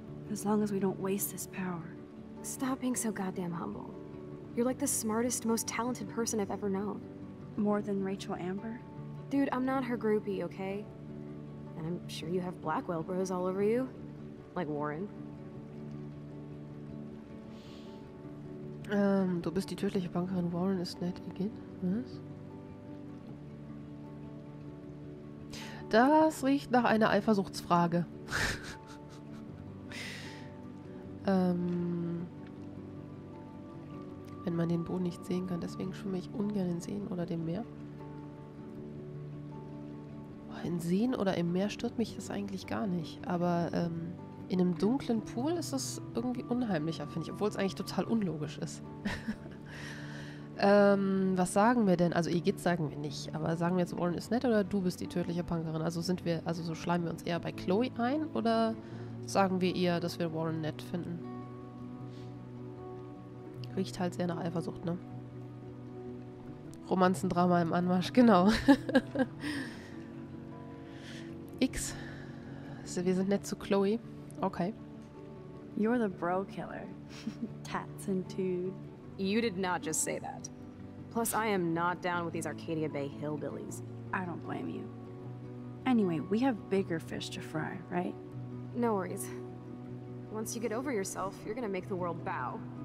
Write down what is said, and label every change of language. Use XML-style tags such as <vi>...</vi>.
<en>As long as we don't waste this power. Stop being so goddamn humble. You're like the smartest, most talented person I've ever known. More than Rachel Amber? Dude, I'm not her groupie, okay? And I'm sure you have Blackwell bros all over you. Like Warren.</en> <de>Du bist die tödliche Bankerin. Warren ist nett. Igitt, was? Das riecht nach einer Eifersuchtsfrage. Wenn man den Boden nicht sehen kann, deswegen schwimme ich ungern in Seen oder dem Meer. In Seen oder im Meer stört mich das eigentlich gar nicht, aber in einem dunklen Pool ist es irgendwie unheimlicher, finde ich, obwohl es eigentlich total unlogisch ist. was sagen wir denn? Also Igitt sagen wir nicht, aber sagen wir jetzt, Warren ist nett oder du bist die tödliche Punkerin? Also sind wir, also so schleimen wir uns eher bei Chloe ein oder sagen wir eher, dass wir Warren nett finden? Riecht halt sehr nach Eifersucht, ne? Romanzendrama im Anmarsch, genau. X. Also wir sind nett zu Chloe. Okay.</de> <en>You're the bro killer. Tats and tude. You did not just say that. Plus, I am not down with these Arcadia Bay hillbillies. I don't blame you. Anyway, we have bigger fish to fry, right? No worries. Once you get over yourself, you're gonna make the world bow.</en>